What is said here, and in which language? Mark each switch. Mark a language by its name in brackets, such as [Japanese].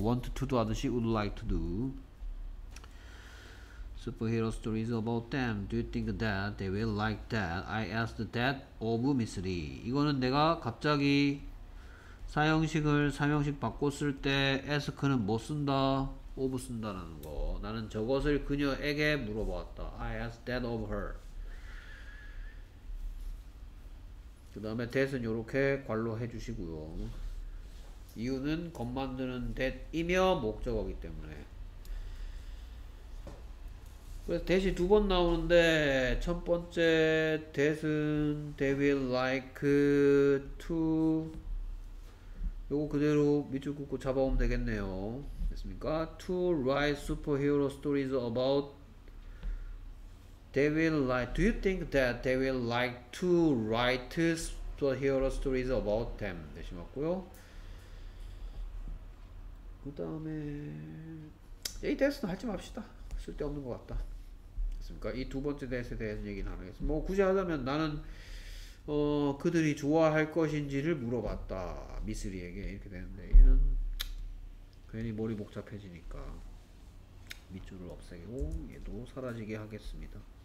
[English] want to do [Korean] 하듯이 [English] would like to do Superhero stories about them. Do you think that they will like that? I asked that of Miss Lee. [Korean] 이거는 내가 갑자기 사형식을 삼형식 바꿨을 때 ask는 뭐 쓴다? of 쓴다라는 거. 나는 저것을 그녀에게 물어보았다. [English] I asked that of her. [Korean] 그 다음에 that은 이렇게 괄호 해주시고요. 이유는 겉 만드는 that이며 목적어이기 때문에. 그래서 대시 두 번 나오는데 첫 번째 대신 [English] they will like to [Korean] 요거 그대로 밑줄 긋고 잡아오면 되겠네요. 됐습니까? [English] To write superhero stories about they will like Do you think that they will like to write superhero stories about them? [Korean] 대시 맞고요. 그 다음에 이 대신 하지 맙시다. 쓸데없는 것 같다. 이 두 번째 대세에 대해서 얘기는 안 하겠습니다. 뭐 굳이 하자면 나는 그들이 좋아할 것인지를 물어봤다. 미스리에게 이렇게 되는데 얘는 괜히 머리 복잡해지니까 밑줄을 없애고 얘도 사라지게 하겠습니다.